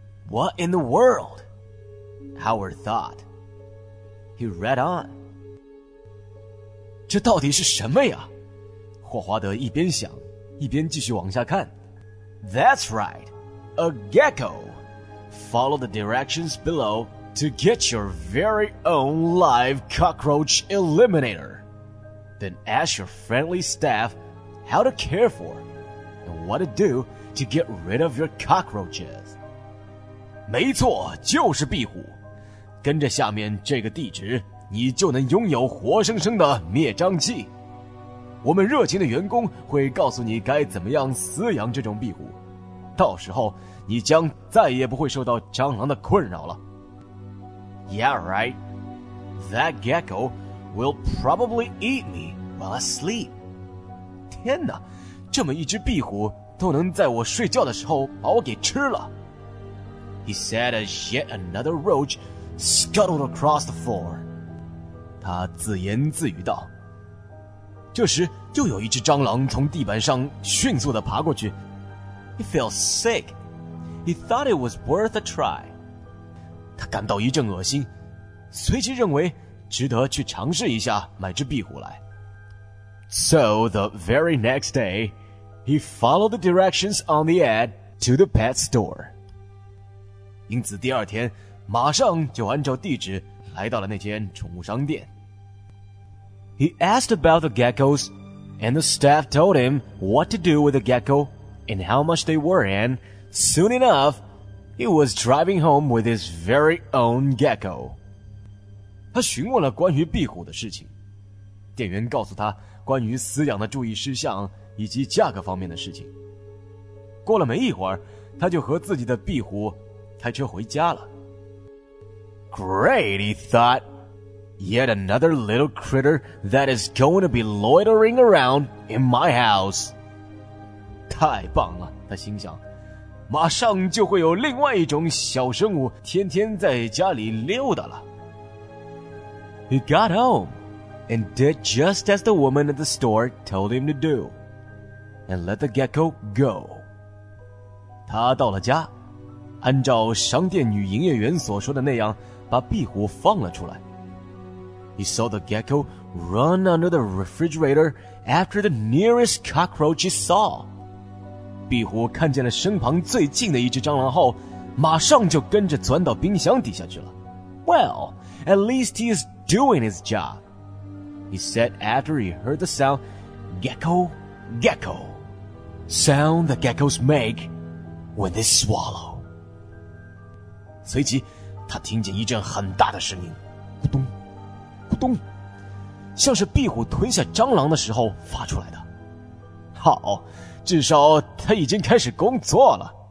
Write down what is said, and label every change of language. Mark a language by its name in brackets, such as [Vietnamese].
[English] What in the world? Howard thought. He read on. [Chinese] 这到底是什么呀？霍华德一边想，一边继续往下看。 [English] That's right, a gecko. Follow the directions below. To get your very own live cockroach eliminator. Then ask your friendly staff how to care for and what to do to get rid of your cockroaches. [Chinese] 没错，就是壁虎。跟着下面这个地址，你就能拥有活生生的灭蟑剂。我们热情的员工会告诉你该怎么样饲养这种壁虎，到时候你将再也不会受到蟑螂的困扰了。 [English] Yeah right, that gecko will probably eat me while I sleep. [Chinese] 天哪，这么一只壁虎都能在我睡觉的时候把我给吃了。 [English] He said as yet another roach scuttled across the floor. [Chinese] 他自言自语道。这时又有一只蟑螂从地板上迅速地爬过去。 [English] He felt sick. He thought it was worth a try. [Chinese] 他感到一阵恶心，随即认为值得去尝试一下买只壁虎来。 [English] So the very next day, he followed the directions on the ad to the pet store. [Chinese] 因此第二天马上就按照地址来到了那间宠物商店。 [English] He asked about the geckos, and the staff told him what to do with the gecko and how much they were, and soon enough, he was driving home with his very own gecko. [Chinese] 他询问了关于壁虎的事情，店员告诉他关于饲养的注意事项以及价格方面的事情。过了没一会儿，他就和自己的壁虎开车回家了。 [English] Great, he thought. Yet another little critter that is going to be loitering around in my house. [Chinese] 太棒了，他心想，马上就会有另外一种小生物天天在家里溜达了。 [English] He got home and did just as the woman at the store told him to do, and let the gecko go. [Chinese] 他到了家，按照商店女营业员所说的那样，把壁虎放了出来。 [English] He saw the gecko run under the refrigerator after the nearest cockroach he saw. [Chinese] 壁虎看见了身旁最近的一只蟑螂后，马上就跟着钻到冰箱底下去了。 [English] Well, at least he is doing his job. He said after he heard the sound, gecko, gecko. Sound that geckos make when they swallow. [Chinese] 随即他听见一阵很大的声音，咕咚。咚，像是壁虎吞下蟑螂的时候发出来的。好，至少他已经开始工作了。